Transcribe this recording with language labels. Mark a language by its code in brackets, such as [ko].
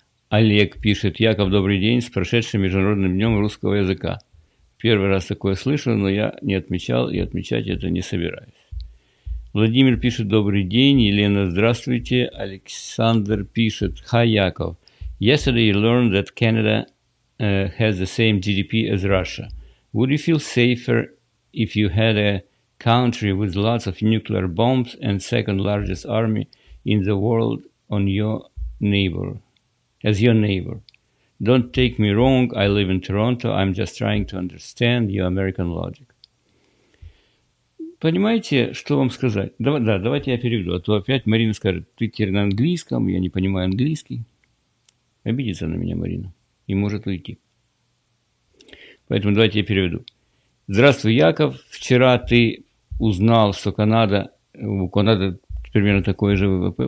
[ru] Олег пишет: «Яков, добрый день, с прошедшим Международным днем русского языка». Первый раз такое слышу, но я не отмечал и отмечать это не собираюсь. Владимир пишет: «Добрый день». Елена: «Здравствуйте». Александр пишет: «Хай, Яков. [en] Yesterday you learned that Canada has the same GDP as Russia. Would you feel safer if you had a country with lots of nuclear bombs and second largest army in the world on your neighbor, as your neighbor? Don't take me wrong, I live in Toronto. I'm just trying to understand your American logic». [ru] Понимаете, что вам сказать? Давайте я переведу, а то опять Марина скажет: «Ты теперь на английском, я не понимаю английский». Обидится на меня Марина и может уйти. Поэтому давайте я переведу. Здравствуй, Яков. Вчера ты узнал, что у Канады примерно такой же ВВП.